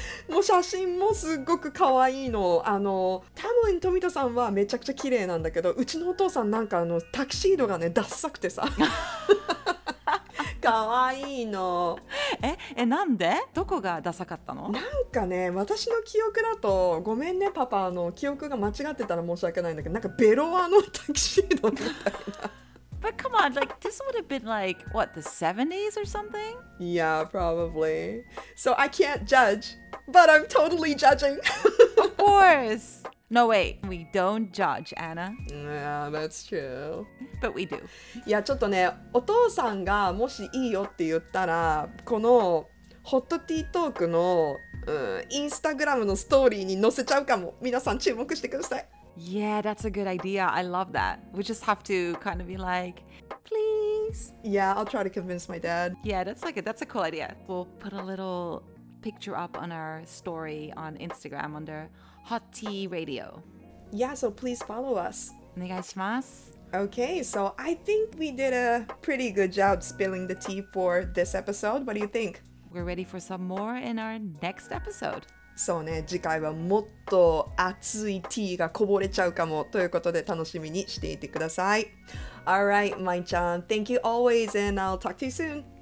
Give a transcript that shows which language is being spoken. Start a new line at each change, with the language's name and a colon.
Japanese: もう写真もすっごく可愛いの。あのタムリン富田さんはめちゃくちゃ綺麗なんだけど、うちのお父さんなんかあのタキシードがねダッサくてさ。かわいいの。ええ、なんでどこがダサかったの？なんかね、私の記憶だと、ごめんねパパ、あの記憶が間違ってたら申し訳ないんだけど、なんかベロワのタキシードみたいな。
English: But come on, like this would have been like what, the 70s or something? Yeah, probably. So I can't judge, but I'm totally judging. Of course. No, wait. We don't judge, Anna. Yeah, that's true. But we do.
Japanese: いや、ちょっとね、お父さんがもしいいよって言ったら、このホットティートークの、インスタグラムのストーリーに載せちゃうかも。皆さん注目してください。
English: Yeah, that's a good idea. I love that. We just have to kind of be like, please. Yeah, I'll try to convince my dad. Yeah, that's like a cool idea. We'll put a little picture up on our story on Instagram under Hot Tea Radio. Yeah, so please follow us.
Japanese: お願いします。
English: Okay, so I think we did a pretty good job spilling the tea for this episode. What do you think? We're ready for some more in our next episode.
Japanese: そうね、次回はもっと熱いティーがこぼれちゃうかもということで楽しみにしていてください。
English: All right, Mai-chan, thank you always, and I'll talk to you soon.